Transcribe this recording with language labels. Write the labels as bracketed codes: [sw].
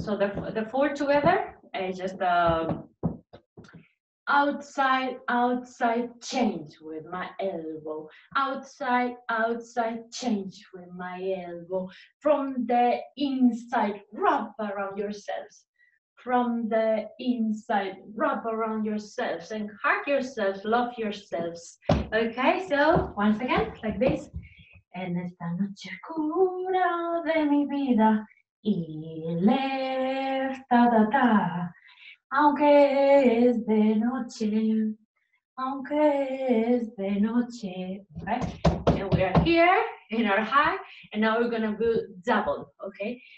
[en] So the four together is just outside change with my elbow, outside change with my elbow, from the inside wrap around yourselves, from the inside wrap around yourselves, and hug yourselves, love yourselves. Okay, so once again like this. [es] En esta noche oscura de mi vida. Y ta-da-da, aunque es de noche, aunque es de noche. [en] Okay, and we are here in our high, and now we're gonna go double, okay?